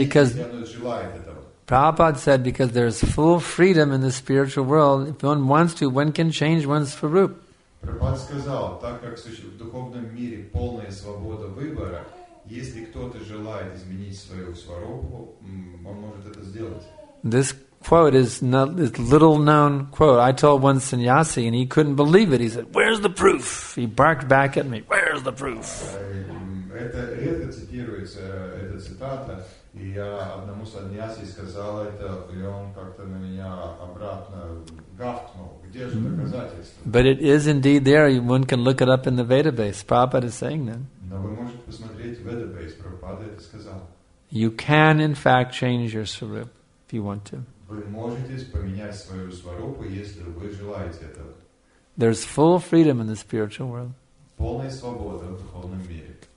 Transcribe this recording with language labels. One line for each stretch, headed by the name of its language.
English: Prabhupada said because there is full freedom in the spiritual world, if one wants to, one can change one's swarup.
Russian: Prabhupada сказал, так как в духовном мире полная свобода выбора, если кто-то желает изменить свою сварупу, он может это сделать.
English: Quote is not this little known quote. I told one sannyasi and he couldn't believe it. He said, "Where's the proof?" He barked back at me, "Where's the proof?"
Russian: Это редко цитируется эта цитата, и я одному сannyasi сказал это, и он как-то на меня обратно гавкнул. Где же доказательства?
English: But it is indeed there. One can look it up in the Vedabase. Prabhupada is saying that.
Russian: Но вы можете посмотреть в Vedabase. Прабхупада это сказал.
English: You can, in fact, change your swarup if you want to.
Russian: Вы можете поменять свою сварупу, если вы желаете этого.
English: There's full freedom in the spiritual world.
Russian: Полная свобода в духовном мире.